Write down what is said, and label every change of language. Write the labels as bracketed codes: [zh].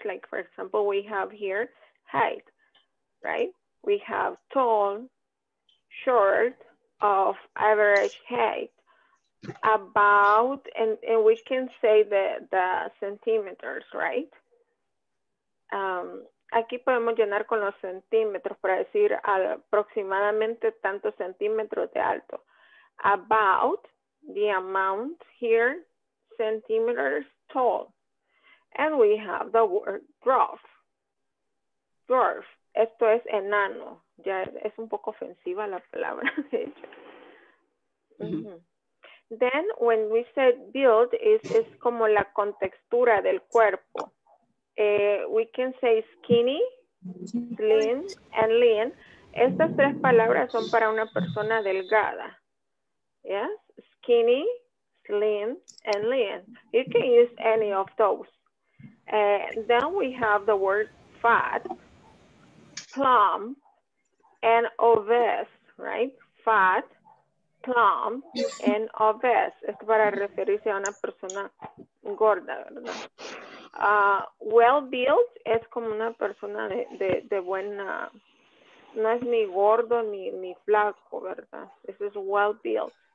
[en] Like for example, we have here height, right? We have tall, short, of average height, about, and we can say the centimeters, right? [es] Aquí podemos llenar con los centímetros para decir aproximadamente tantos centímetros de alto. [en] About the amount here, centimeters tall. And we have the word dwarf. Dwarf, [es] esto es enano. Ya es un poco ofensiva la palabra. [en] Then when we said build, [es] es como la contextura del cuerpo. [en] We can say skinny, slim, and lean. [es] Estas tres palabras son para una persona delgada. [en] Yes, skinny, slim, and lean. You can use any of those. Then we have the word fat, plump, and obese, right? Fat, plump, and obese. [es] Es para referirse a una persona gorda, ¿verdad? Well built es como una persona de buena, no es ni gordo ni flaco, ¿verdad? [en] This is well built.